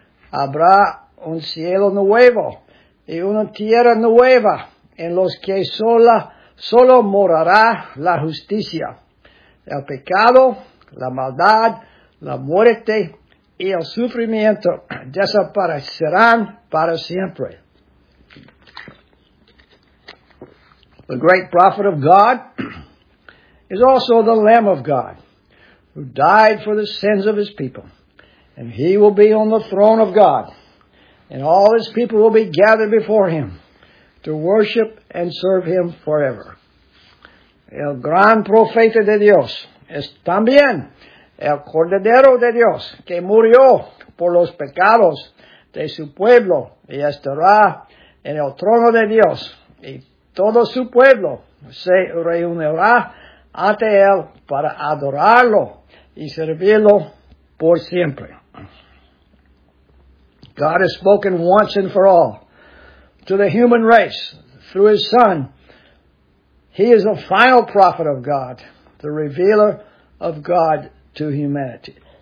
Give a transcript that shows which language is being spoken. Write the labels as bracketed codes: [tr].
[es] Habrá un cielo nuevo y una tierra nueva en los que solo morará la justicia, el pecado, la maldad, la muerte y el sufrimiento desaparecerán para siempre. [en] The great prophet of God is also the Lamb of God who died for the sins of his people. And he will be on the throne of God. And all his people will be gathered before him to worship and serve him forever. [es] El gran profeta de Dios es también el Cordero de Dios que murió por los pecados de su pueblo y estará en el trono de Dios y todo su pueblo se reunirá ante él para adorarlo y servirlo por siempre. [en] God has spoken once and for all to the human race through his Son. He is the final prophet of God, the revealer of God to humanity.